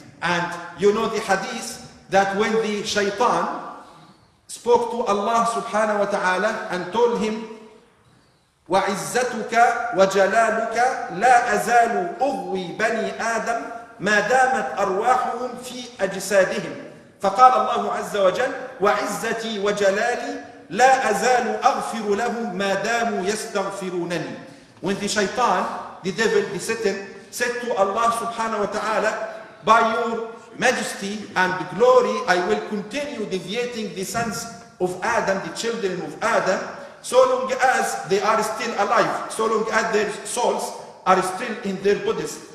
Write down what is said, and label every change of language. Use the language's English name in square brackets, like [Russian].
[English] And you know the hadith that when the shaitan spoke to Allah subhanahu wa ta'ala and told him, [Arabic] وَعِزَّتُكَ وَجَلَالُكَ لَا أَزَالُ أُغْوِي بَنِي آدَمْ مَا دَامَتْ أَرْوَاحُهُمْ فِي أَجْسَادِهِمْ. فقال الله عز وجل: وعزتي وجلالي لا أزال أغفر لهم ما داموا يستغفرونني. [English] When the shaitan, the devil, the satan, said to Allah subhanahu wa ta'ala, by your majesty and glory, I will continue deviating the sons of Adam, the children of Adam, so long as they are still alive, so long as their souls are still in their bodies.